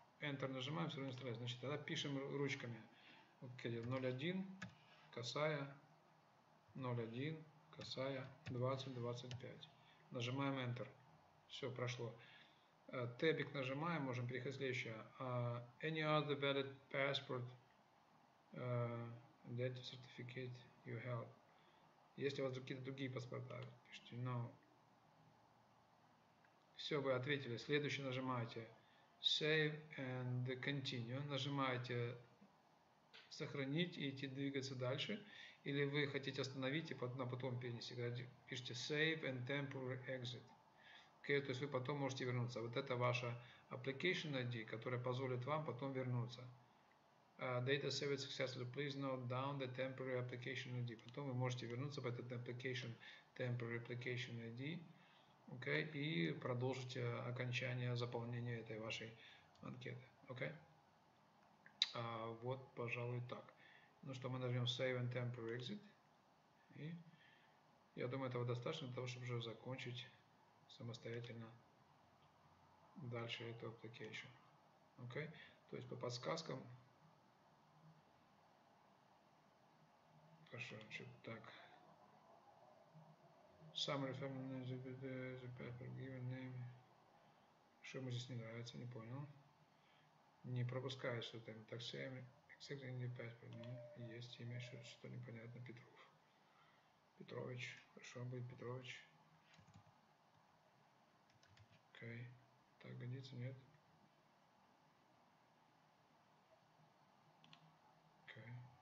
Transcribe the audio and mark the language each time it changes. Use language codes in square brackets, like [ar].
[ru] Enter нажимаем, все равно не вставляется. Значит, тогда пишем ручками. Окей, 01, касая, 01, касая, 20-25. Нажимаем Enter. Все, прошло. Тэбик нажимаем, можем переходить следующее. [en] Any other valid passport, data certificate you have. [ru] Если у вас какие-то другие паспорта, пишите, no. Все, вы ответили. Следующее нажимаете Save and Continue. Нажимаете Сохранить и идти двигаться дальше. Или вы хотите остановить и потом, а потом перенести. Пишите Save and Temporary Exit. Okay, то есть вы потом можете вернуться. Вот это ваша Application ID, которая позволит вам потом вернуться. [en] Data saved successfully. Please note down the Temporary Application ID. [ru] Потом вы можете вернуться по этой Application Temporary Application ID. Okay, и продолжите окончание заполнения этой вашей анкеты. Okay? Вот, пожалуй, так. Ну что, мы нажмем Save and Temporary Exit. И я думаю, этого достаточно для того, чтобы уже закончить самостоятельно дальше эту application. Okay? То есть по подсказкам. Хорошо, что-то так. [en] Summary family name, the paper, given name. [ru] Что ему здесь не нравится, не понял. Не пропускаю что-то. [en] Так, same, exactly in the paper. [ru] Есть имя, что-то непонятно. Петров. Петрович. Хорошо, он будет Петрович. Окей. Так, годится, нет? Окей.